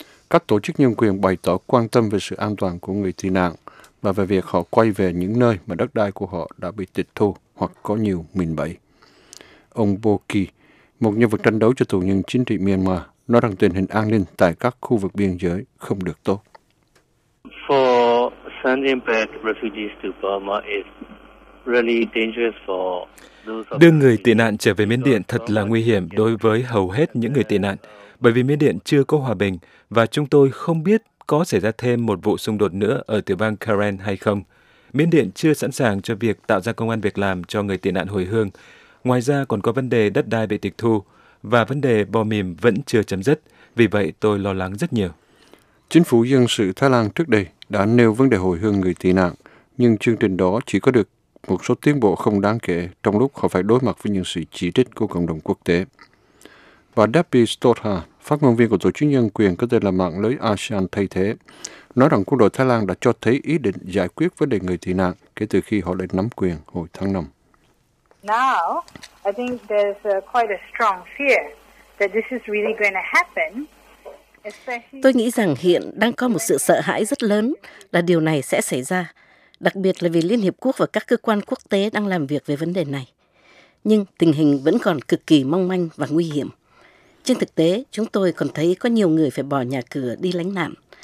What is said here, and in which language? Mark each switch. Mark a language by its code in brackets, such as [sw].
[vi] Các tổ chức nhân quyền bày tỏ quan tâm về sự an toàn của người tị nạn và về việc họ quay về những nơi mà đất đai của họ đã bị tịch thu hoặc có nhiều mìn bẫy. Ông Bo Ki, một nhân vật tranh đấu cho tù nhân chính trị Myanmar, nói rằng tình hình an ninh tại các khu vực biên giới không được tốt. [en] For sending back refugees to Burma is really dangerous for those. [vi] Đưa người tị nạn trở về Miến Điện thật là nguy hiểm đối với hầu hết những người tị nạn, bởi vì Miến Điện chưa có hòa bình và chúng tôi không biết có xảy ra thêm một vụ xung đột nữa ở tiểu bang Karen hay không. Miến Điện chưa sẵn sàng cho việc tạo ra công ăn việc làm cho người tị nạn hồi hương. Ngoài ra còn có vấn đề đất đai bị tịch thu và vấn đề bò mìm vẫn chưa chấm dứt, vì vậy tôi lo lắng rất nhiều. Chính phủ dân sự Thái Lan trước đây đã nêu vấn đề hồi hương người tị nạn, nhưng chương trình đó chỉ có được một số tiến bộ không đáng kể trong lúc họ phải đối mặt với những sự chỉ trích của cộng đồng quốc tế. Bà Debbie Stotha, phát ngôn viên của Tổ chức Nhân quyền có tên là mạng lưới ASEAN thay thế, nói rằng quân đội Thái Lan đã cho thấy ý định giải quyết vấn đề người tị nạn kể từ khi họ lên nắm quyền hồi tháng 5. [en] Now, I think there's quite a strong fear that this is really going to happen. [vi] Tôi nghĩ rằng hiện đang có một sự sợ hãi rất lớn là điều này sẽ xảy ra, đặc biệt là vì Liên Hiệp Quốc và các cơ quan quốc tế đang làm việc về vấn đề này. Nhưng tình hình vẫn còn cực kỳ mong manh và nguy hiểm. Trên thực tế, chúng tôi còn thấy có nhiều người phải bỏ nhà cửa đi lánh nạn.